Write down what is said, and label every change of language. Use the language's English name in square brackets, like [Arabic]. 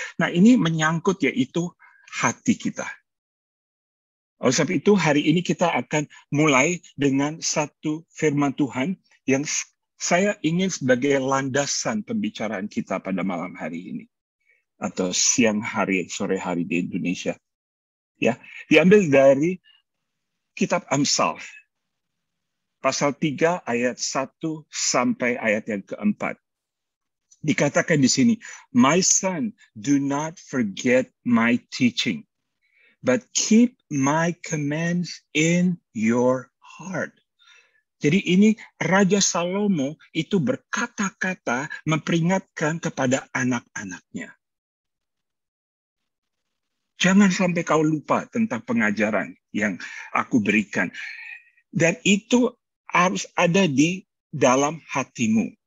[Indonesian] Nah, ini menyangkut yaitu hati kita. Oleh sebab itu, hari ini kita akan mulai dengan satu firman Tuhan yang saya ingin sebagai landasan pembicaraan kita pada malam hari ini atau siang hari, sore hari di Indonesia. Ya, diambil dari kitab Amsal pasal 3 ayat 1 sampai ayat yang ke-4. Dikatakan di sini, [English] "My son, do not forget my teaching, but keep my commands in your heart." [Indonesian] Jadi ini Raja Salomo itu berkata-kata memperingatkan kepada anak-anaknya. Jangan sampai kau lupa tentang pengajaran yang aku berikan. Dan itu harus ada di dalam hatimu.